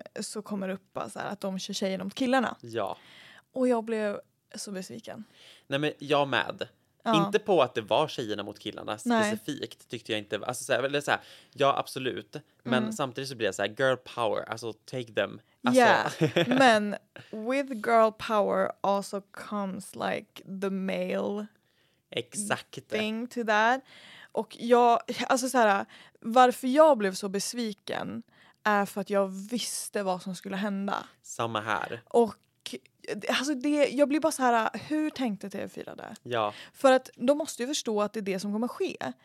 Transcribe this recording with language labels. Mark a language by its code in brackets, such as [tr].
[sv] Så kommer det upp bara så här att de kör tjejer mot killarna. Ja. Och jag blev så besviken. Nej men jag med. Ja. Inte på att det var tjejerna mot killarna specifikt. Nej. Tyckte jag inte. Alltså så här, eller så här, ja absolut. Men samtidigt så blir det så här, girl power. Alltså [en] take them. [sv] Alltså. Yeah. Men [en] with girl power also comes like the male. [sv] Exakt. [en] Thing to that. [sv] Och jag, alltså så här, varför jag blev så besviken är för att jag visste vad som skulle hända. Samma här. Och alltså det, jag blir bara så här, hur tänkte TV4 det? Ja. För att de måste ju förstå att det är det som kommer ske.